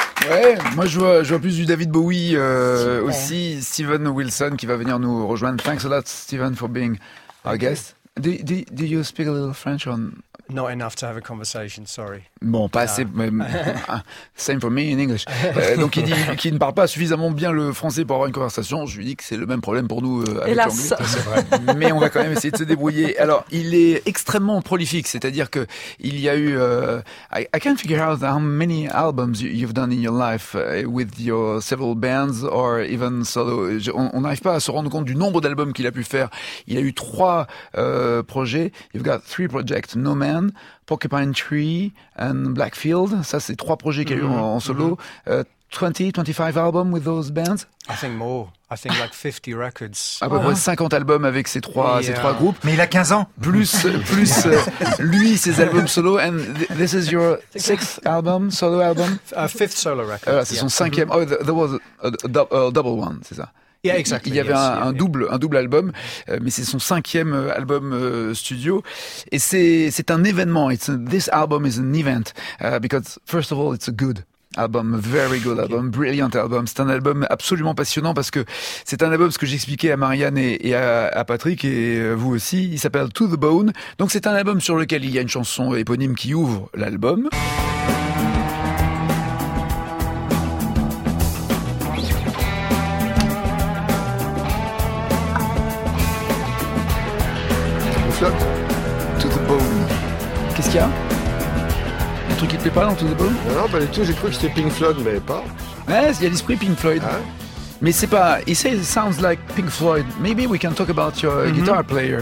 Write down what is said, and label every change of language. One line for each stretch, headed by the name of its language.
French: Ouais, moi je vois plus du David Bowie aussi, Steven Wilson qui va venir nous rejoindre.
English: Thanks a lot, Steven, for being our guest. Do you speak a little French or not enough to have a conversation? Sorry.
French: Bon, pas assez. Mais,
English: same for me in English.
French: Donc il dit qu'il ne parle pas suffisamment bien le français pour avoir une conversation. Je lui dis que c'est le même problème pour nous avec l'anglais. C'est vrai. Mais on va quand même essayer de se débrouiller. Alors il est extrêmement prolifique, c'est-à-dire que il y a eu.
English: I can't figure out how many albums you've done in your life with your several bands or even solo.
French: On n'arrive pas à se rendre compte du nombre d'albums qu'il a pu faire. Il a eu trois projets.
English: You've got three projects.
French: No Man, Man, Porcupine Tree and Blackfield. Ça, c'est trois projets qu'il y a eu en solo.
English: 20, 25 albums with those bands? I think more. I think like 50 records.
French: À peu près 50 albums avec ces trois groupes. Mais il a 15 ans. Plus lui, ses albums solo.
English: And this is your sixth album, solo album? Fifth solo record.
French: C'est son cinquième.
English: Oh, there was a double one,
French: c'est ça.
English: Yeah, exactly.
French: Il y avait un double album, mais c'est son cinquième album studio, et c'est un événement.
English: This album is an event because first of all, it's a good album, very good album, brilliant album.
French: C'est un album absolument passionnant parce que c'est un album, ce que j'expliquais à Marianne et à Patrick et vous aussi. Il s'appelle To the Bone. Donc c'est un album sur lequel il y a une chanson éponyme qui ouvre l'album. To the Bone. Qu'est-ce qu'il y a? Un truc qui te plaît pas dans To the Bone? Non, pas du tout, j'ai cru que c'était Pink Floyd, mais pas. Ouais, il y a l'esprit Pink Floyd. Hein? Mais c'est pas.
English: He says it sounds like Pink Floyd. Maybe we can talk about your guitar player.